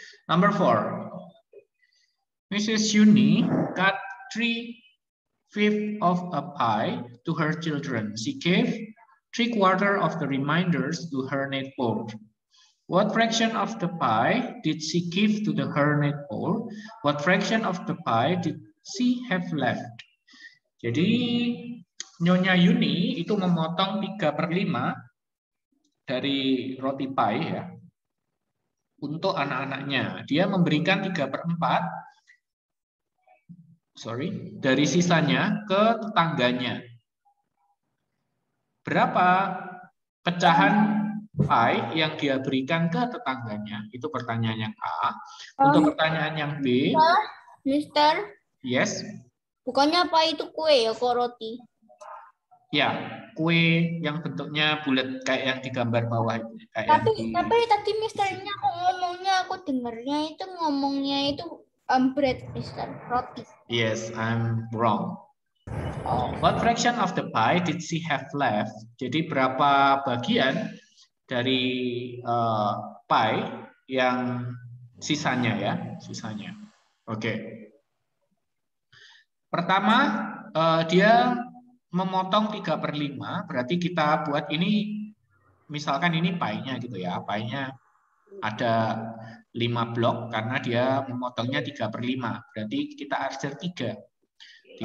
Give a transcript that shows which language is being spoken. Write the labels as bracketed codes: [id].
[en] Number 4. Mrs. Yuni got 3/5 of a pie to her children. She gave 3/4 of the remainders to her neighbor. What fraction of the pie did she give to the her neighbor? What fraction of the pie did she have left? [id] Jadi Nyonya Yuni itu memotong 3/5 dari roti pie ya untuk anak-anaknya. Dia memberikan 3/4 dari sisanya ke tetangganya. Berapa pecahan pie yang dia berikan ke tetangganya? Itu pertanyaan yang A. Untuk pertanyaan yang B, [en] Mister. Yes. [id] Bukannya pie itu kue ya, kok roti? Ya, kue yang bentuknya bulat kayak yang di gambar bawah itu. Tapi tadi Misternya aku ngomongnya, aku dengarnya itu ngomongnya itu [en] bread, [id] Mister, roti. [en] Yes, I'm wrong. What fraction of the pie did she have left? [id] Jadi berapa bagian dari pie yang sisanya ya, sisanya. Oke. Pertama, dia memotong 3/5, berarti kita buat ini, misalkan ini pie-nya gitu ya, pie-nya ada 5 blok karena dia memotongnya 3/5, berarti kita arsir 3.